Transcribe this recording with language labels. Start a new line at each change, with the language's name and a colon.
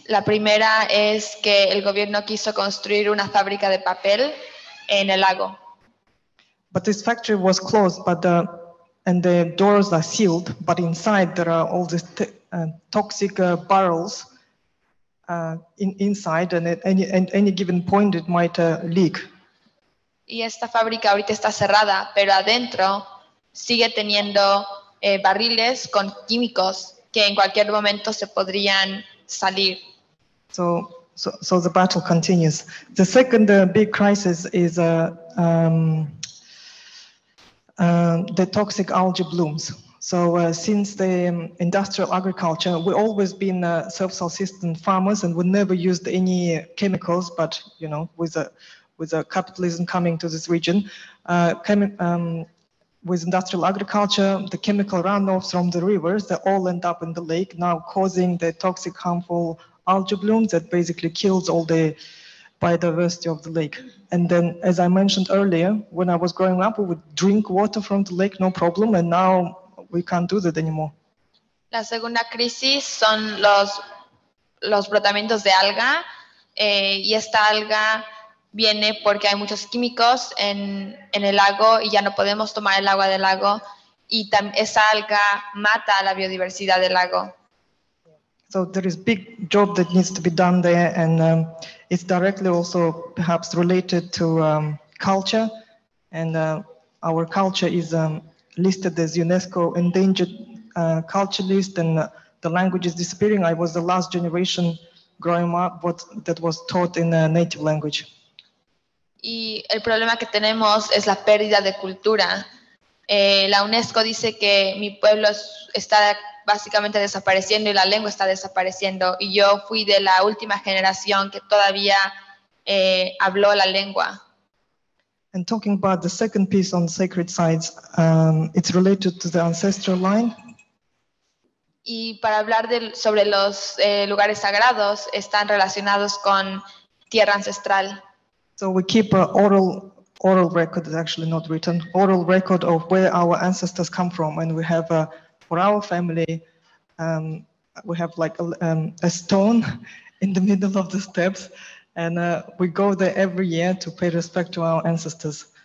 Spanish: La primera es que el gobierno quiso construir una fábrica de papel en el lago.
English: But this factory was closed, and the doors are sealed, but inside there are all these toxic barrels inside, and at any given point it might leak. Y esta fábrica ahorita está cerrada, pero adentro sigue teniendo barriles con químicos que en cualquier momento se podrían salir. So the battle continues. The second big crisis is the toxic algae blooms. So since the industrial agriculture, we've always been self-subsistent farmers, and we never used any chemicals. But you know, with capitalism coming to this region, with industrial agriculture, the chemical runoffs from the rivers, they all end up in the lake, now causing the toxic, harmful algae blooms that basically kills all the biodiversity of the lake. And then, as I mentioned earlier, when I was growing up, we would drink water from the lake, no problem, and now we can't do that anymore.
Spanish: La segunda crisis son los brotamientos de alga, y esta alga viene porque hay muchos químicos en el lago y ya no podemos tomar el agua del lago, y esa alga mata la biodiversidad del lago.
English: So there is big job that needs to be done there, and it's directly also perhaps related to culture, and our culture is listed as UNESCO endangered culture list, and the language is disappearing. I was the last generation growing up that was taught in a native language.
Spanish: Y el problema que tenemos es la pérdida de cultura. La UNESCO dice que mi pueblo está básicamente desapareciendo y la lengua está desapareciendo, y yo fui de la última generación que todavía habló la lengua.
English: And talking about the second piece on sacred sites, it's related to the ancestral line.
Spanish: Y para hablar sobre los lugares sagrados, están relacionados con tierra ancestral.
English: So we keep an oral record, it's actually not written, oral record of where our ancestors come from, and we have for our family, we have like a stone in the middle of the steps, and we go there every year to pay respect to our ancestors.